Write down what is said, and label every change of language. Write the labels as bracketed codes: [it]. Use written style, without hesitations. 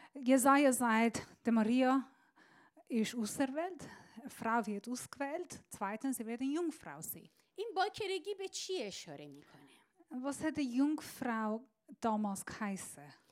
[de] Jesaja sagt, die Maria ist auserwählt, Frau wird ausgewählt, zweitens, sie wird eine Jungfrau sein. [fa] این باکرگی به چی اشاره میکنه؟ [de] Was hat die Jungfrau damals geheißen?